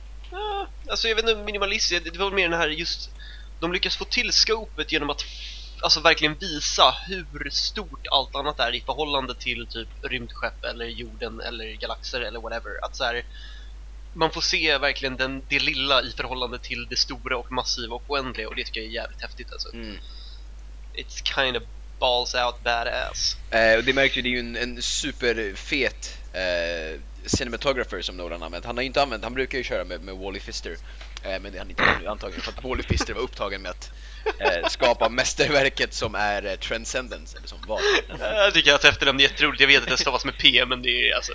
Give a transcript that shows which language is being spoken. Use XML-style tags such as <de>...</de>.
<sv>Ja, alltså jag vet inte, minimalistiskt, det var mer den här just, de lyckas få till scopet genom att alltså verkligen visa hur stort allt annat är i förhållande till typ rymdskepp eller jorden eller galaxer eller whatever. Att så här, man får se verkligen det lilla i förhållande till det stora och massiva och oändliga. Och det tycker jag är jävligt häftigt alltså. Mm.</sv> <en>It's kind of balls out badass.</en> <sv>Och det märker ju, det är ju en superfet cinematographer som Nolan använt. Han har ju inte använt, han brukar ju köra med Wally Pfister. Men det har han inte antagit, för att Wally Pfister var upptagen med att skapa mästerverket som är Transcendence eller som var. Jag tycker att efter dem det är jätteroligt. Jag vet att det stavas med P, men det är alltså.</sv>